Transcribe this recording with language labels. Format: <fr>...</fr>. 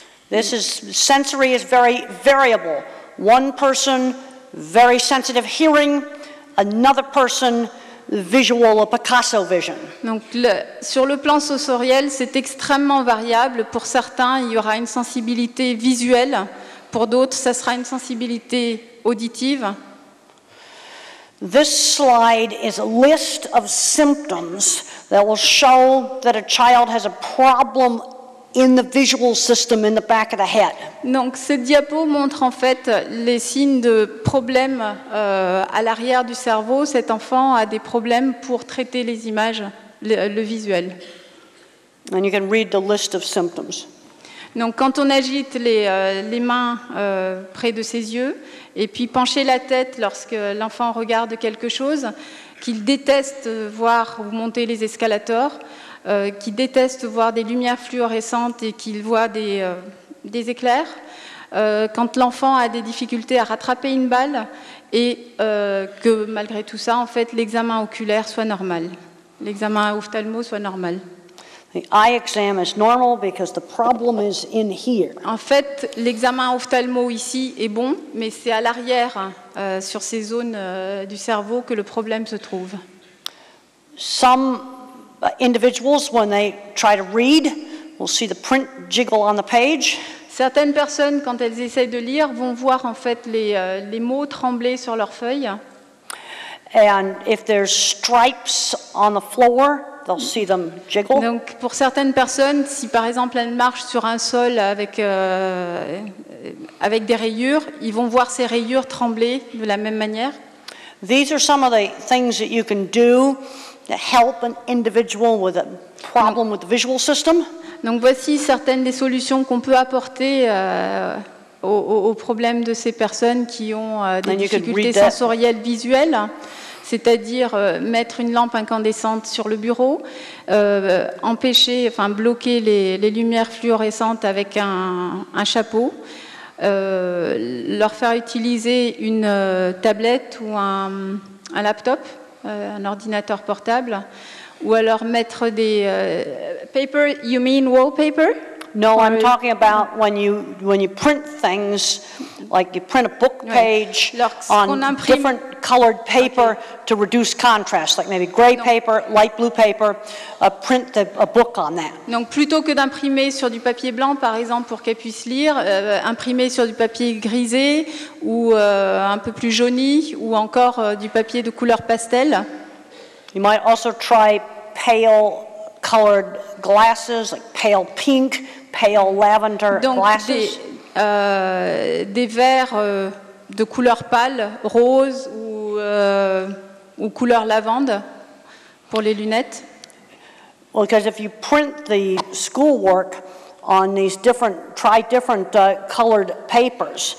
<en>This is sensory is very variable. One person very sensitive hearing, another person visual or Picasso vision.</en> <fr>Donc, sur le plan sensoriel, c'est extrêmement variable. Pour certains, il y aura une sensibilité visuelle. Pour d'autres, ça sera une sensibilité auditive.</fr> <en>This slide is a list of symptoms that will show that a child has a problem in the visual system in the back of the head.</en> <fr>Donc, cette diapo montre en fait les signes de problèmes à l'arrière du cerveau. Cet enfant a des problèmes pour traiter les images, le visuel.</fr> <en>And you can read the list of symptoms.</en> <fr>Donc, quand on agite les mains près de ses yeux, et puis pencher la tête lorsque l'enfant regarde quelque chose, qu'il déteste voir ou monter les escalators, qui déteste voir des lumières fluorescentes et qu'il voit des éclairs. Quand l'enfant a des difficultés à rattraper une balle et que malgré tout ça, en fait, l'examen oculaire soit normal, l'examen ophtalmo soit normal.</fr> <en>The eye exam is normal because the problem is in here.</en> <fr>En fait, l'examen ophtalmo ici est bon, mais c'est à l'arrière, sur ces zones du cerveau, que le problème se trouve.</fr> <en>Some individuals, when they try to read, will see the print jiggle on the page.</en> <fr>Certaines personnes, quand elles essayent de lire, vont voir en fait les mots trembler sur leur feuille.</fr> <en>And if there's stripes on the floor, they'll see them jiggle.</en> <fr>Donc, pour certaines personnes, si par exemple elles marchent sur un sol avec des rayures, ils vont voir ces rayures trembler de la même manière.</fr> <en>These are some of the things that you can do to help an individual with a problem with the visual system.</en> <fr>Donc voici certaines des solutions qu'on peut apporter aux problèmes de ces personnes qui ont des difficultés sensorielles visuelles, c'est-à-dire mettre une lampe incandescente sur le bureau, bloquer les lumières fluorescentes avec un chapeau, leur faire utiliser une tablette ou un laptop. Un ordinateur portable, ou alors mettre des paper,</fr> <en>you mean wallpaper? No, I'm talking about when you print things, like you print a book page on different colored paper to reduce contrast, like maybe gray paper, light blue paper, print a book on that.</en> <fr>Donc plutôt que d'imprimer sur du papier blanc, par exemple, pour qu'elle puisse lire, imprimer sur du papier grisé ou un peu plus jauni ou encore du papier de couleur pastel.</fr> <en>You might also try pale colored glasses, like pale pink, pale lavender glasses.</en> <fr>Donc des verres de couleur pâle, rose ou couleur lavande pour les lunettes.</fr> <en>Well, because if you print the schoolwork on these different colored papers,</en>